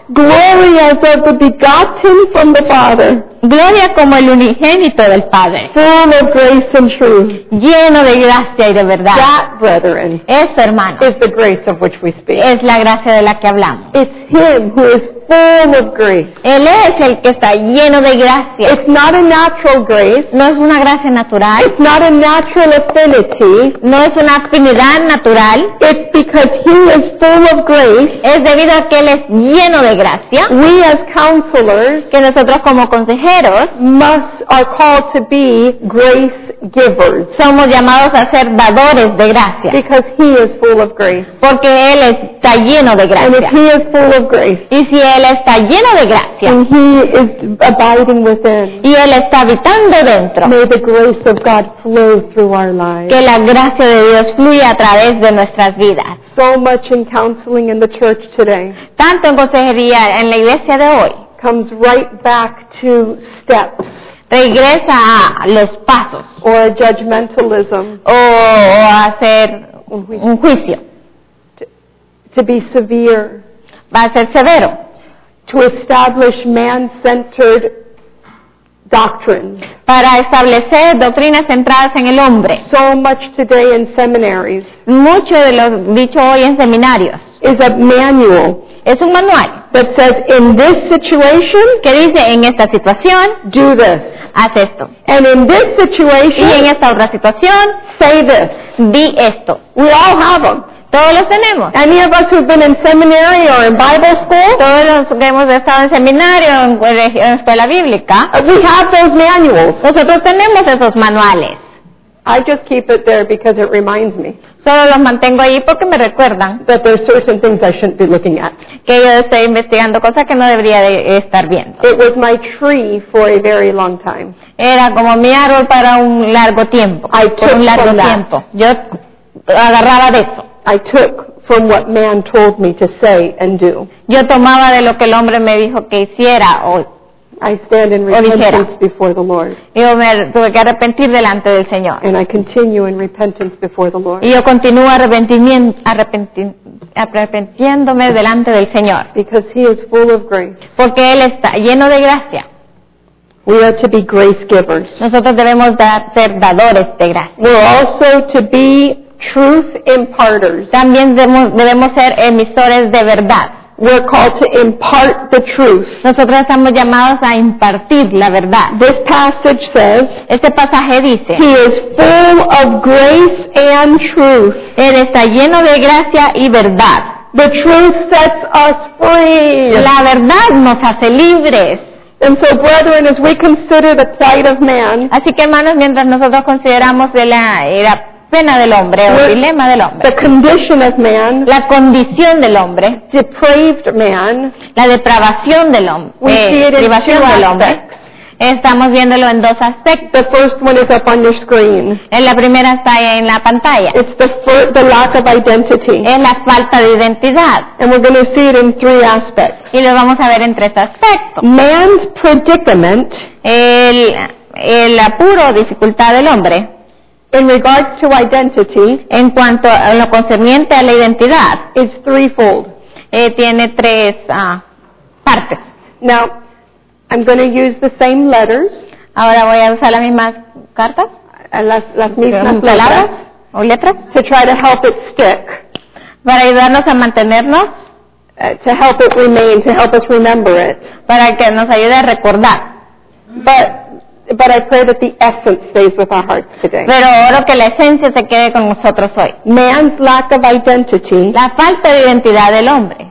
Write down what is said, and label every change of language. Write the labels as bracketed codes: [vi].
[en] Glory as of the begotten from the Father. [es] Gloria como el unigénito del Padre. [en] Full of grace and truth. [es] Lleno de gracia y de verdad. [en] That, brethren, [es] eso, hermano, [en] is the grace of which we speak. [es] Es la gracia de la que hablamos. [en] It's Him who is full of grace. [es] Él es el que está lleno de gracia. [en] It's not a natural grace. [es] No es una gracia natural. [en] It's not a natural affinity. [es] No es una afinidad natural. [en] It's because He is full of grace. [es] Es debido a que Él es lleno de gracia. [en] We as counselors, [es] que nosotros como consejeros, [en] are called to be grace givers. [es] Somos llamados a ser dadores de gracia. [en] Because he is full of grace. [es] Porque él está lleno de gracia. [en] And if he is full of grace. [es] Y si él está lleno de gracia. [en] And he is abiding within. [es] Y él está habitando dentro. [en] May the grace of God flow through our lives. [es] Que la gracia de Dios fluya a través de nuestras vidas. [en] So much in counseling in the church today. [es] Tanto en consejería en la iglesia de hoy. [en] Comes right back to steps. [es] Regresa a los pasos. [en] Or a judgmentalism. [es] O hacer un juicio. [en] To be severe. [es] Va a ser severo. [en] To establish man-centered doctrines. [es] Para establecer doctrinas centradas en el hombre. [en] So much today in seminaries. [es] Mucho de lo dicho hoy en seminarios. [en] Is a manual. [es] Es un manual. [en] That says in this situation. [es] Que dice en esta situación. [en] Do this. [es] Haz esto. [en] And in this situation. [es] Y en esta otra situación. [en] Say this. [es] Di esto. [en] We all have them. [es] Todos los tenemos. [en] Any of us who've been in seminary or in Bible school. [es] Todos los que hemos estado en seminario en escuela bíblica. [en] We have those manuals. [es] Nosotros tenemos esos manuales. [en] I just keep it there because it reminds me. [es] Solo los mantengo ahí porque me recuerdan. [en] That there are certain things I shouldn't be looking at. [es] Que yo estoy investigando cosas que no debería de estar viendo. [en] It was my tree for a very long time. [es] Era como mi árbol para un largo tiempo. [en] I [es] por un largo tiempo. Yo agarraba de eso. [en] I took from what man told me to say and do. [es] Yo tomaba de lo que el hombre me dijo que hiciera o [en] I stand in repentance before the Lord. [es] Yo me tuve que arrepentir delante del Señor. [en] And I continue in repentance before the Lord. [es] Y yo continúo arrepintiéndome delante del Señor. [en] Because he is full of grace. [es] Porque él está lleno de gracia. [en] We are to be grace givers. [es] Nosotros debemos ser dadores de gracia. [en] We are also to be truth imparters. [es] También debemos ser emisores de verdad. [en] We're called to impart the truth. [es] Nosotros estamos llamados a impartir la verdad. [en] This passage says. [es] Este pasaje dice. [en] He is full of grace and truth. [es] Él está lleno de gracia y verdad. [en] The truth sets us free. [es] La verdad nos hace libres. [en] And so, brethren, as we consider the plight of man. [es] Así que, hermanos, mientras nosotros consideramos de la era pena del hombre o dilema del hombre. [en] The condition of man, [es] la condición del hombre. [en] Depraved man, [es] la depravación del hombre. [en] We see it in two aspects. [es] Estamos viéndolo en dos aspectos. [en] The first one is up on your screen. [es] En la primera está en la pantalla. [en] It's the lack of identity. [es] Es la falta de identidad. [en] And we're going to see it in three aspects. [es] Y lo vamos a ver en tres aspectos. [en] Man's predicament, [es] el apuro, dificultad del hombre. [en] In regards to identity, [es] en cuanto a lo concerniente a la identidad, [en] is threefold. [es] Tiene tres partes. [en] Now, I'm going to use the same letters. [es] Ahora voy a usar las mismas cartas. Las mismas palabras o letras. [en] To try to help it stick. [es] Para ayudarnos a mantenernos. [en] To help it remain. To help us remember it. [es] Para que nos ayude a recordar. [en] But I pray that the essence stays with our hearts today. [es] Pero oro que la esencia se quede con nosotros hoy. [en] Man's lack of identity. [es] La falta de identidad del hombre.